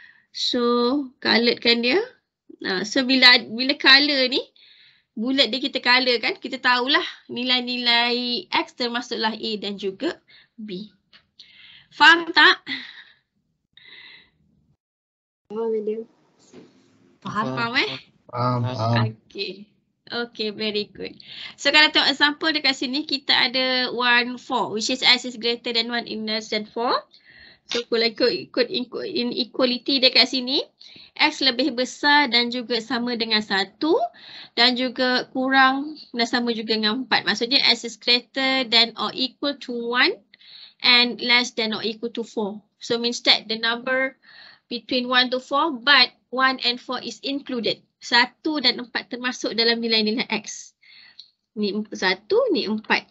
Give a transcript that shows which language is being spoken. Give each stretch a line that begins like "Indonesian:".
Malay: So, coloredkan dia. So, bila color ni, bulat dia kita color kan, kita tahulah nilai-nilai X termasuklah A dan juga B. Faham tak? Faham.
English: Okay. Okay, very good. So,
Malay: kalau tengok example dekat sini, kita ada
English: 1, 4, which is X is greater than 1 and less than 4.
Malay: So, kalau ikut inequality dekat sini, X lebih besar dan juga sama dengan 1 dan juga kurang dan sama juga dengan 4.
English: Maksudnya, X is greater than or equal to 1 and less than or equal to 4. So, means that the number between 1 to 4, but 1 and 4 is included.
Malay: 1 dan 4 termasuk dalam nilai-nilai X. Ni 1, ni 4.